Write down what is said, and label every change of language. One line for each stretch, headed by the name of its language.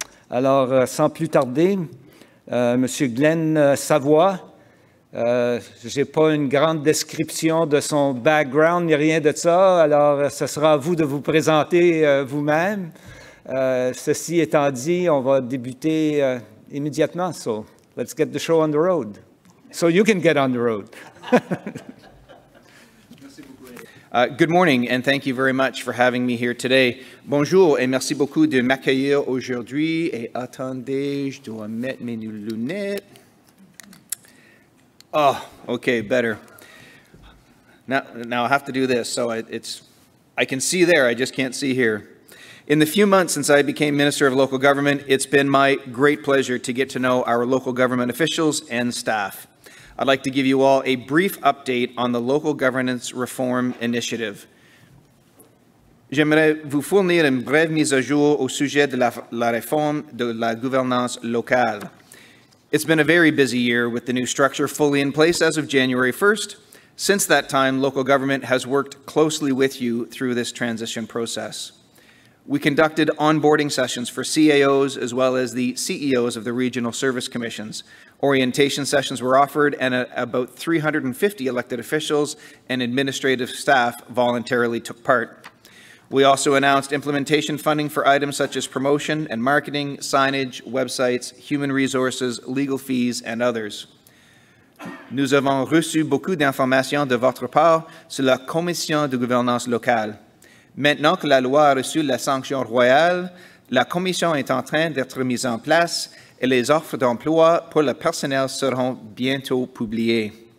French: Alors, sans plus tarder, Monsieur Glen Savoie. J'ai pas une grande description de son background ni rien de ça. Alors, ce sera à vous de vous présenter vous-même. Ceci étant dit, on va débuter immédiatement.
English: So, let's get the show on the road. So you can get on the road. Good morning, and thank you very much for having me here today.
French: Bonjour, et merci beaucoup de m'accueillir aujourd'hui. Et attendez, je dois mettre mes lunettes.
English: Oh, okay, better. Now I have to do this, so I can see there, I just can't see here. In the few months since I became Minister of Local Government, it's been my great pleasure to get to know our local government officials and staff. I'd like to give you all a brief update on the Local Governance Reform Initiative.
French: J'aimerais vous fournir une brève mise à jour au sujet de la réforme de la gouvernance locale.
English: It's been a very busy year with the new structure fully in place as of January 1st. Since that time, local government has worked closely with you through this transition process. We conducted onboarding sessions for CAOs as well as the CEOs of the regional service commissions. Orientation sessions were offered and about 350 elected officials and administrative staff voluntarily took part. We also announced implementation funding for items such as promotion and marketing, signage, websites, human resources, legal fees, and others.
French: Nous avons reçu beaucoup d'informations de votre part sur la commission de gouvernance locale. Maintenant que la loi a reçu la sanction royale, la commission est en train d'être mise en place et les offres d'emploi pour le personnel seront bientôt publiées.